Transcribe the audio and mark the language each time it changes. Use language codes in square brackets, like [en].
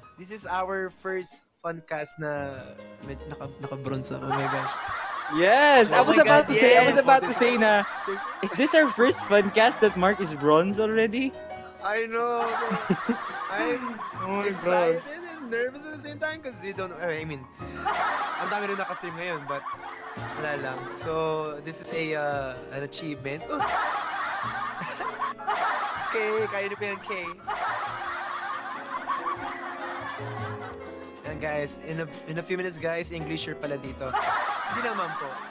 [en] This is our first FUNCAST [tl] na naka-bronze ako. [en] Oh my gosh. Yes! Oh, I was about to say na is this our first FUNCAST that Mark is bronze already? I know. So, I'm excited and nervous at the same time because we don't know. I mean, [tl] ang dami rin na kasi ngayon, but wala lang. [en] So, this is a an achievement. Okay, [tl] kaya nyo pa yan, [en] Kay. And guys, in a few minutes, guys, Englisher pala dito. [tl] Hindi naman po.